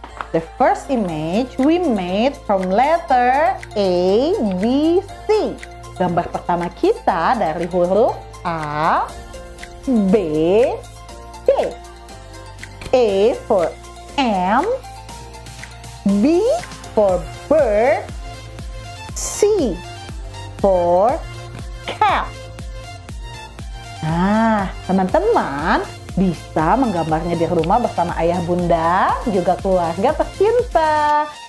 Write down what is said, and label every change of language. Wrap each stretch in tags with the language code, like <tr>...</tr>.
<en>The first image we made from letter A, B, C.</en> <id>Gambar pertama kita dari huruf A, B, C.</id> <en>A for M, B for bird, C for cat.</en> <id>Nah, teman-teman bisa menggambarnya di rumah bersama ayah bunda, juga keluarga tercinta.</id>